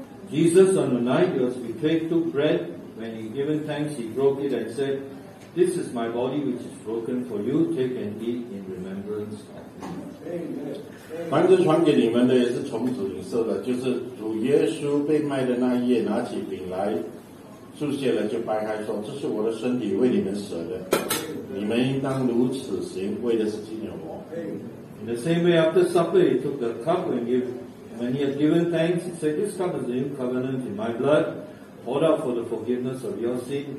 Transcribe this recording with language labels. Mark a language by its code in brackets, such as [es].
[en] Jesus, on the night he was betrayed, took bread. When he given thanks, he broke it and said, "This is my body which is broken for you. Take and eat in remembrance of me." [zh] 凡是传给你们的，也是从主领受的。就是主耶稣被卖的那一夜，拿起饼来，祝谢了，就掰开说：“这是我的身体，为你们舍的。你们应当如此行，为的是纪念我。” [en] In the same way, after supper, he took the cup, and when he had given thanks, he said, "This cup is the new covenant in my blood, poured out for the forgiveness of your sin.